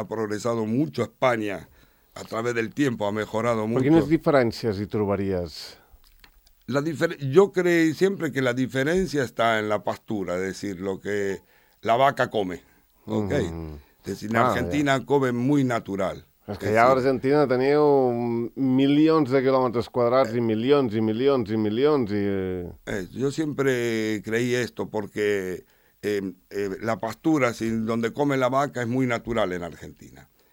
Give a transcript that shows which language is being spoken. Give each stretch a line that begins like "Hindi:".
Spanish: Ha progresado mucho España a través del tiempo, ha mejorado mucho. ¿Quiénes diferencias y trobarías? Yo creí siempre que la diferencia está en la pastura, es decir, lo que la vaca come. Okay. Decir, en Argentina comen muy natural.
Catalan: És que allà a Argentina teniu milions de quilòmetres quadrats i milions i milions i milions i...
Spanish: Yo siempre creí esto porque La pastura, si, donde come la vaca, es muy natural en Argentina.